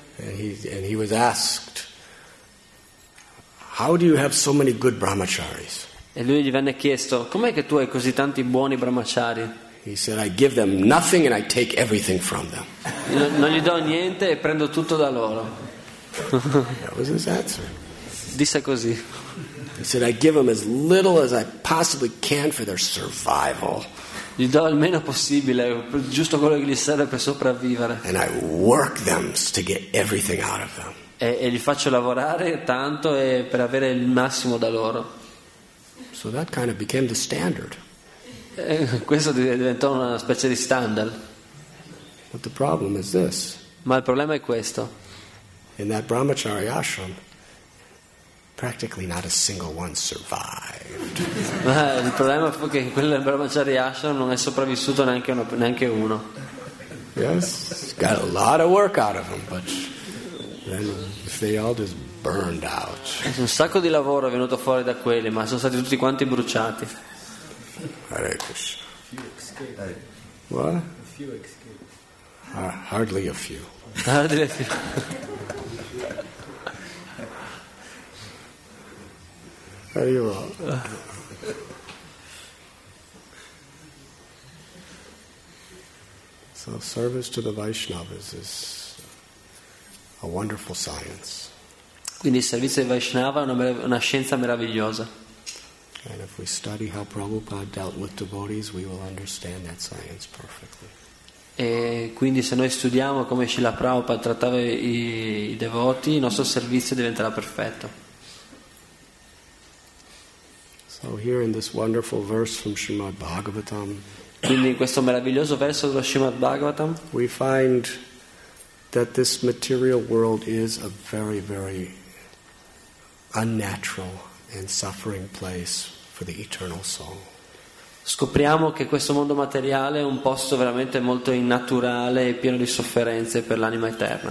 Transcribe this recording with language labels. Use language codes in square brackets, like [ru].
[en] And he was asked, how do you have so many good brahmacharis? [it] E lui gli venne chiesto: com'è che tu hai così tanti buoni brahmachari? [en] He said, I give them nothing and I take everything from them. [it] Non gli do niente e prendo tutto da loro. [en] That was his answer. [it] Disse così. [en] He said, I give them as little as I possibly can for their survival. [it] Gli do il meno possibile, giusto quello che gli serve per sopravvivere. [en] And I work them to get everything out of them. [it] E gli faccio lavorare tanto e per avere il massimo da loro. [en] So that kind of became the standard. [it] Questo diventò una specie di standard. [en] But the problem is this. [it] Ma il problema è questo. [en] In that Brahmachari ashram, practically not a single one survived. [it] Ma il problema fu che in quel Brahmachari ashram non è sopravvissuto neanche uno. [en] Yes, got a lot of work out of them, but then they all just burned out. [it] Un sacco di lavoro è venuto fuori da quelli, ma sono stati tutti quanti bruciati. [en] Hare Krishna. What? A few escaped. Hardly a few. Hardly a few. Are you wrong? So service to the Vaishnavas is a wonderful science. [it] Quindi il servizio ai Vaishnava è una scienza meravigliosa. [en] And if we study how Prabhupada dealt with devotees, we will understand that science perfectly. [it] E quindi se noi studiamo come Srila Prabhupada trattava i devoti, il nostro servizio diventerà perfetto. [en] So here in this wonderful verse from Srimad Bhagavatam, [it] quindi in questo meraviglioso verso dello Srimad Bhagavatam, [en] we find that this material world is a very, very unnatural and suffering place for the eternal soul. [it] Scopriamo che questo mondo materiale è un posto veramente molto innaturale e pieno di sofferenze per l'anima eterna.